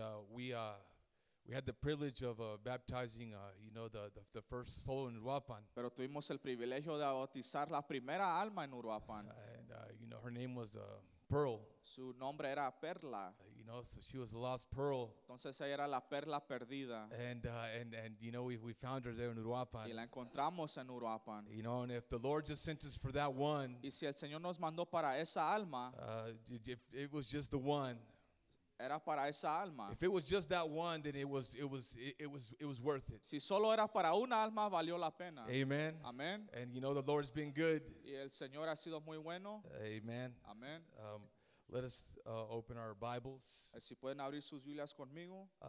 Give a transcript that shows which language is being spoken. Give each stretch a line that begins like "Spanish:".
English: We had the privilege of baptizing, the first soul in Uruapan.
Spanish: Pero tuvimos el privilegio de bautizar la primera alma en Uruapan.
English: And her name was Pearl.
Spanish: Su nombre era Perla.
English: So she was a lost pearl.
Spanish: Entonces ella era la perla perdida.
English: And we found her there in Uruapan.
Spanish: Y la encontramos en Uruapan.
English: And if the Lord just sent us for that one.
Spanish: Y si el Señor nos mandó para esa alma.
English: If it was just the one.
Spanish: Era para esa alma.
English: If it was just that one, then it was worth it.
Spanish: Si solo era para una alma, valió la pena.
English: Amen. Amen. And the Lord's been good.
Spanish: Y el Señor ha sido muy bueno.
English: Amen. Amen. Let us open our Bibles.
Spanish: Si pueden abrir sus Biblias conmigo.